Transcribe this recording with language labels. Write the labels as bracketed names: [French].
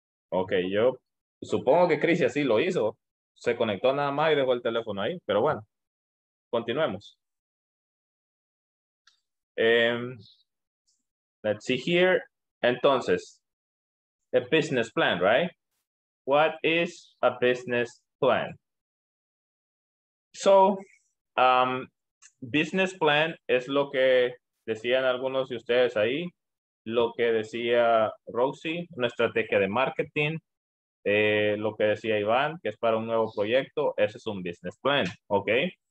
[Spanish] Okay, yo supongo que Crisia sí lo hizo. Se conectó nada más y dejó el teléfono ahí, pero bueno, continuemos. [English] Let's see here. Entonces, a business plan, right? What is a business plan? [Spanish] So, business plan es lo que decían algunos de ustedes ahí, lo que decía Roxy, una estrategia de marketing, lo que decía Iván, que es para un nuevo proyecto, ese es un business plan, okay?